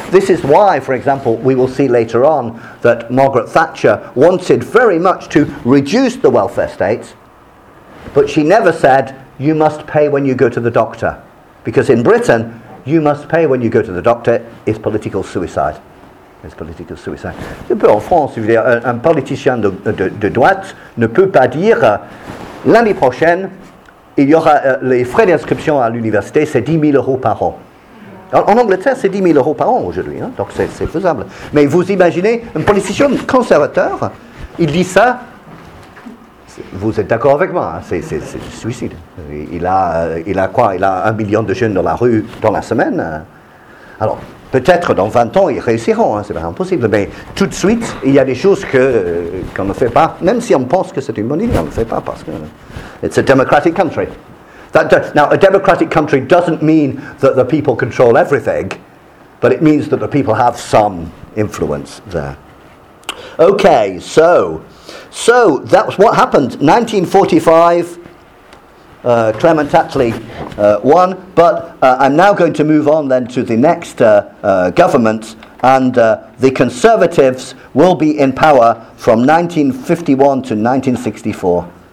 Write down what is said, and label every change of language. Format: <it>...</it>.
<en>This is why, for example, we will see later on that Margaret Thatcher wanted very much to reduce the welfare state, but she never said, you must pay when you go to the doctor. Because in Britain, you must pay when you go to the doctor is political suicide. It's political suicide.</en> <fr>Un peu en France, un politicien de droite ne peut pas dire l'année prochaine, il y aura les frais d'inscription à l'université, c'est 10 000 euros par an. En Angleterre, c'est 10 000 euros par an aujourd'hui, hein? Donc c'est faisable. Mais vous imaginez, un politicien conservateur, il dit ça, vous êtes d'accord avec moi, hein? C'est du suicide. Il a quoi? Il a 1 million de jeunes dans la rue dans la semaine. Alors, peut-être dans 20 ans, ils réussiront, hein? C'est pas impossible. Mais tout de suite, il y a des choses qu'on ne fait pas, même si on pense que c'est une bonne idée, on ne le fait pas parce que...</fr> <en>It's a democratic country. Now, a democratic country doesn't mean that the people control everything, but it means that the people have some influence there. Okay, so that was what happened. 1945, Clement Attlee won, but I'm now going to move on then to the next government, and the Conservatives will be in power from 1951 to 1964.</en>